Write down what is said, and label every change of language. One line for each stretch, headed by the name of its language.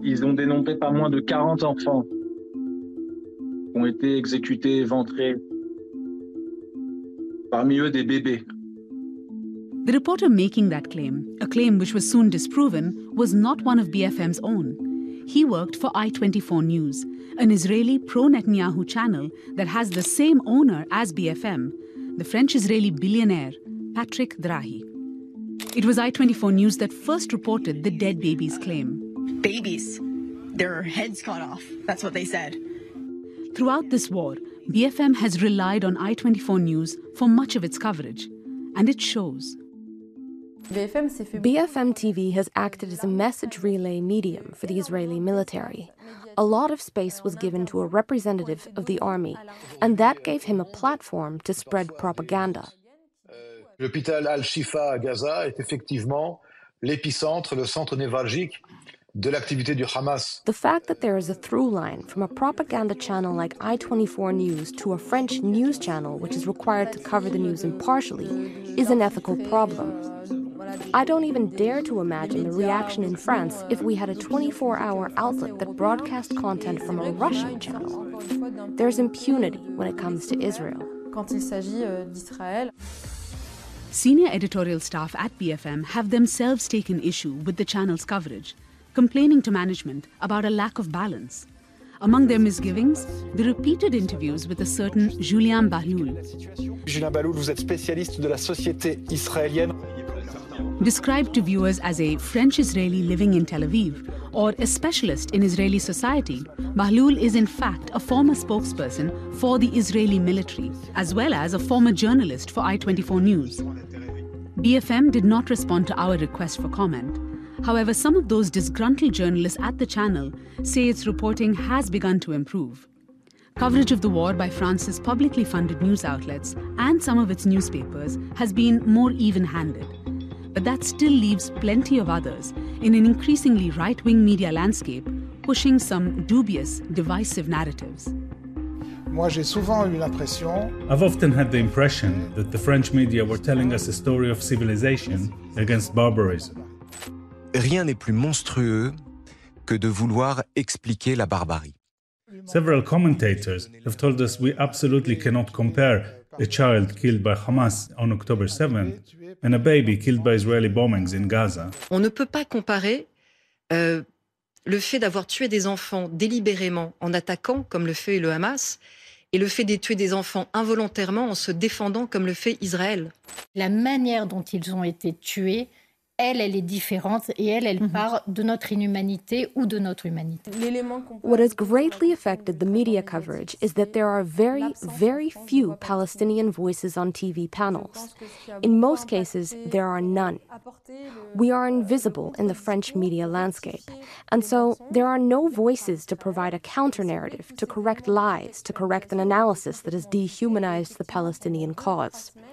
French: Ils ont dénombré pas moins de 40 enfants qui ont été exécutés, ventrés. Parmi eux, des bébés.
English: The reporter making that claim, a claim which was soon disproven, was not one of BFM's own. He worked for I-24 News, an Israeli pro-Netanyahu channel that has the same owner as BFM, the French-Israeli billionaire Patrick Drahi. It was I-24 News that first reported the dead baby's claim. Babies, their heads cut off, that's what they said. Throughout this war, BFM has relied on I-24 News for much of its coverage, and it shows. BFM TV has acted as a message relay medium for the Israeli military. A lot of space was given to a representative of the army, and that gave him a platform to spread propaganda.
French: L'hôpital Al-Shifa à Gaza est effectivement l'épicentre, le centre névralgique de l'activité du Hamas.
English: The fact that there is a through line from a propaganda channel like I-24 News to a French news channel, which is required to cover the news impartially, is an ethical problem. I don't even dare to imagine the reaction in France if we had a 24-hour outlet that broadcast content from a Russian channel. There's impunity when it comes to Israel. Senior editorial staff at BFM have themselves taken issue with the channel's coverage, complaining to management about a lack of balance. Among their misgivings, the repeated interviews with a certain Julien Bahloul.
French: Julien Bahloul, vous êtes spécialiste de la société israélienne.
English: Described to viewers as a French-Israeli living in Tel Aviv or a specialist in Israeli society, Bahloul is in fact a former spokesperson for the Israeli military, as well as a former journalist for I-24 News. BFM did not respond to our request for comment. However, some of those disgruntled journalists at the channel say its reporting has begun to improve. Coverage of the war by France's publicly funded news outlets and some of its newspapers has been more even-handed. But that still leaves plenty of others in an increasingly right-wing media landscape pushing some dubious, divisive narratives. I've often had the impression that the French media were telling us a story of civilization against barbarism.
French: Rien n'est plus monstrueux que de vouloir expliquer la barbarie.
English: Several commentators have told us we absolutely cannot compare a child killed by Hamas on October 7th and a baby killed by Israeli bombings in Gaza.
French: On ne peut pas comparer le fait d'avoir tué des enfants délibérément en attaquant, comme le fait le Hamas, et le fait de tuer des enfants involontairement en se défendant, comme le fait Israël. La manière dont ils ont été tués, elle est différente et elle part de notre inhumanité ou de notre humanité.
English: What has greatly affected the media coverage is that there are very, very few Palestinian voices on TV panels. In most cases, there are none. We are invisible in the French media landscape, and so there are no voices to provide a counter-narrative, to correct lies, to correct an analysis that has dehumanized the Palestinian cause.